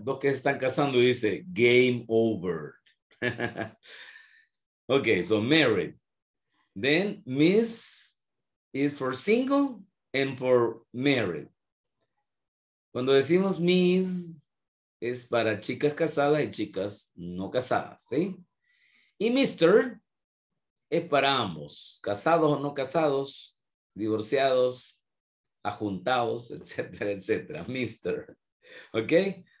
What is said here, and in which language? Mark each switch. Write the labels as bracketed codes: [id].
[es] Dos que se están casando y dice, [en] game over. Okay, so married. Then, Miss is for single and for married. [es] Cuando decimos Miss, es para chicas casadas y chicas no casadas, ¿sí? Y Mr. es para ambos, casados o no casados, divorciados, ajuntados, etcétera, etcétera. Mr. ¿Ok?